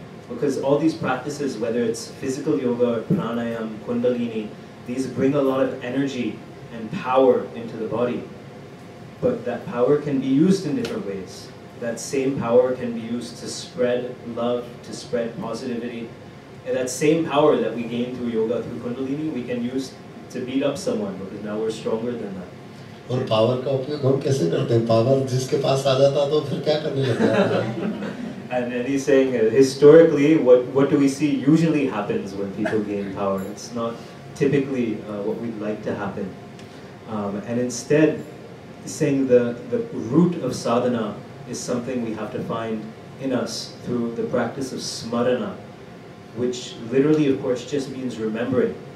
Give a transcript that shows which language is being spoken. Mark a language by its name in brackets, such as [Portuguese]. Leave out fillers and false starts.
[English] Because all these practices, whether it's physical yoga, pranayam, kundalini, these bring a lot of energy and power into the body. But that power can be used in different ways. That same power can be used to spread love, to spread positivity. And that same power that we gain through yoga, through kundalini, we can use to beat up someone, because now we're stronger than that. [Hindi] और power का उपयोग हम कैसे करते हैं? Power जिसके पास आ जाता तो फिर क्या करने लगता है? [English] And then he's saying, historically, what do we see usually happens when people gain power? It's not typically what we'd like to happen. And instead, saying the root of sadhana is something we have to find in us through the practice of smarana, which literally, of course, just means remembering.